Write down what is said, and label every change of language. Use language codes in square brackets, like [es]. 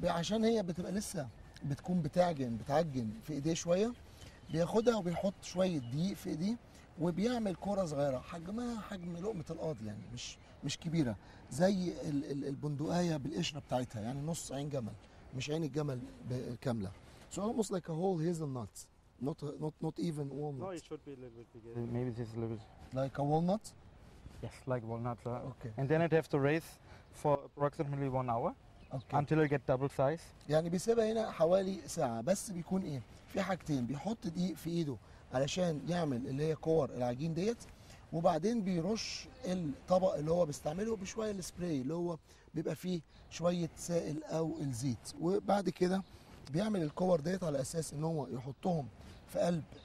[ar] عشان هي بتبقى لسه بتكون بتعجن في ايديه شويه. بياخدها وبيحط شوية دقيق في دي وبيعمل كرة صغيرة حجمها حجم لقمة القاضي يعني مش كبيرة زي البندقية بالقشرة بتاعتها يعني نص عين جمل مش عين الجمل كاملة. [en] So almost like a whole hazelnut, not even walnut. No, it should be a little bit bigger. Maybe this is a little bit. Like a walnut? Yes, like walnut. Okay. And then I'd have to raise for approximately 1 hour. Okay. Until it get double size. [ar] يعني بيسيبها هنا حوالي ساعة بس بيكون ايه؟ في حاجتين بيحط دقيق في ايده علشان يعمل اللي هي كور العجين ديت وبعدين بيرش الطبق اللي هو بيستعمله بشوية السبراي اللي هو بيبقى فيه شوية سائل او الزيت وبعد كده بيعمل الكور ديت على اساس ان هو يحطهم في قلب